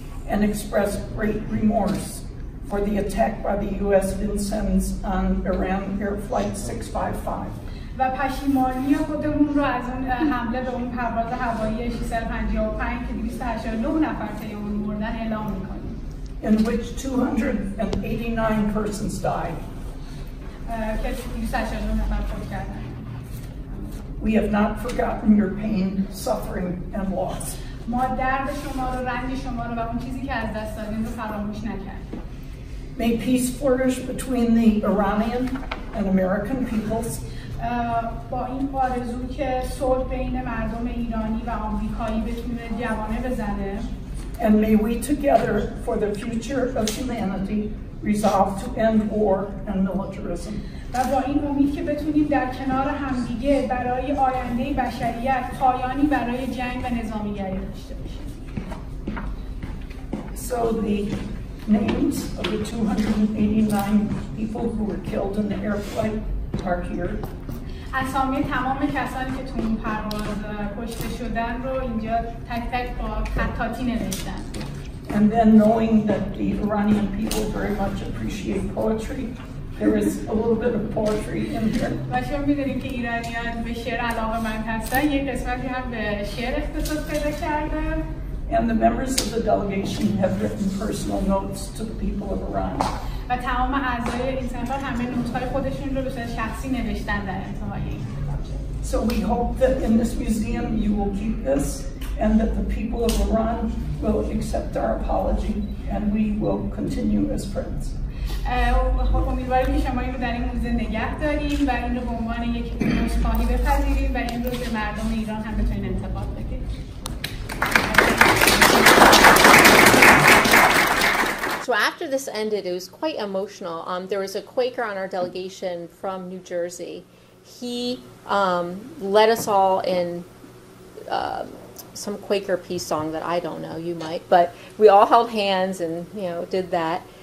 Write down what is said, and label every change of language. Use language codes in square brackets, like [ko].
[en] And express great remorse for the attack by the U.S. Vincennes on Iran Air Flight 655. [fa] و پشیمانی خودمون رو از اون حمله به اون پرواز هوایی 655 که 289 نفر توی اون مردن اعلام می‌کنیم. [en] In which 289 persons died. [fa] که 289 نفر فوت کردن. [en] We have not forgotten your pain, suffering, and loss. [fa] ما درد شما رو، رنج شما رو و اون چیزی که از دست دادیم رو فراموش نکردیم. [en] May peace flourish between the Iranian and American peoples. [fa] با این آرزو که صلح بین مردم ایرانی و آمریکایی بتونه جوانه بزنه. [en] And may we together for the future of humanity resolve to end war and militarism. [fa] و با این امید که بتونیم در کنار همدیگه برای آینده بشریت پایانی برای جنگ و نظامیگری داشته باشیم. [en] So the names of the 289 people who were killed in the air flight are here. [fa] اسامی تمام کسانی که تو این پرواز کشته شدن رو اینجا تک تک با خطاطی نوشتن. [en] And then knowing that the Iranian people very much appreciate poetry, there is a little bit of poetry in here. [fa] و چون می‌دونیم که ایرانیان به شعر علاقه‌مند هستن، یک قسمتی هم به شعر اختصاص پیدا کردن. [en] And the members of the delegation have written personal notes to the people of Iran. [fa] و تمام اعضای این سفر همه نوت‌های خودشون رو به صورت شخصی نوشتن در انتهای. [en] So we hope that in this museum you will keep this and that the people of Iran will accept our apology and we will continue as friends. [fa] امیدواریم که شما این رو در این موزه نگه داریم و این رو به عنوان یک عذرخواهی بپذیریم و این رو به مردم ایران هم بتونین انتقال بدین. [en] So after this ended, it was quite emotional. There was a Quaker on our delegation from New Jersey. He led us all in some Quaker peace song that I don't know, you might, but we all held hands and, you know, did that.